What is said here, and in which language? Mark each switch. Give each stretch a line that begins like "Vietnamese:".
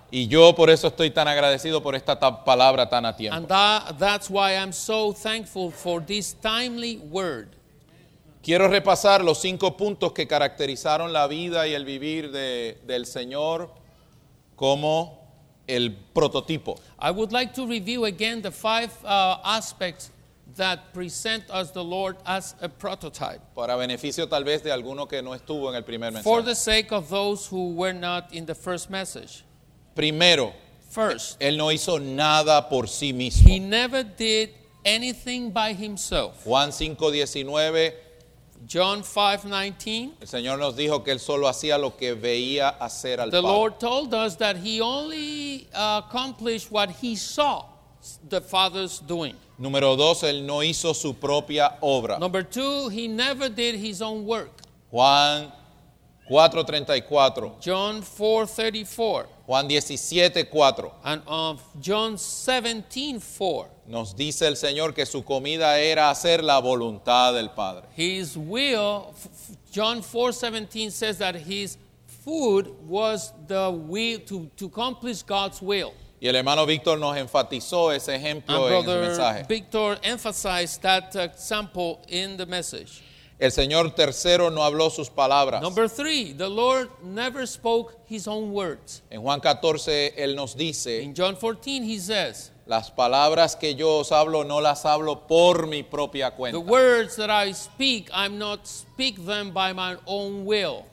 Spanish: Y yo por eso estoy tan agradecido por esta palabra tan a tiempo.
English: And that's why I'm so thankful for this timely word.
Spanish: Quiero repasar los cinco puntos que caracterizaron la vida y el vivir del Señor como el prototipo.
English: I would like to review again the five aspects that present us the Lord as a prototype.
Spanish: Para beneficio tal vez de alguno que no estuvo en el primer mensaje.
English: For the sake of those who were not in the first message.
Spanish: Primero,
English: first,
Spanish: él no hizo nada por sí mismo.
English: He never did anything by himself.
Spanish: Juan 5:19.
English: John 5:19.
Spanish: El Señor nos dijo que él solo hacía lo que veía hacer al Padre.
English: The Lord told us that he only accomplished what he saw the Father's doing.
Spanish: Número dos, él no hizo su propia obra.
English: Number two, he never did his own work.
Spanish: Juan 4:34.
English: John 4:34.
Spanish: Juan 17:4.
English: And of John 17:4.
Spanish: Nos dice el Señor que su comida era hacer la voluntad del Padre.
English: His will, John 4:17 says that his food was the will to accomplish God's will.
Spanish: Y el hermano Víctor nos enfatizó ese ejemplo
English: and
Spanish: en
English: Brother
Spanish: su mensaje.
English: Victor emphasized that example in the message.
Spanish: El Señor tercero no habló sus palabras.
English: Number three, the Lord never spoke his own words.
Spanish: En Juan 14 él nos dice.
English: In John 14 he says.
Spanish: Las palabras que yo os hablo no las hablo por mi propia cuenta.
English: The words that I speak, I'm not speak them by my own will.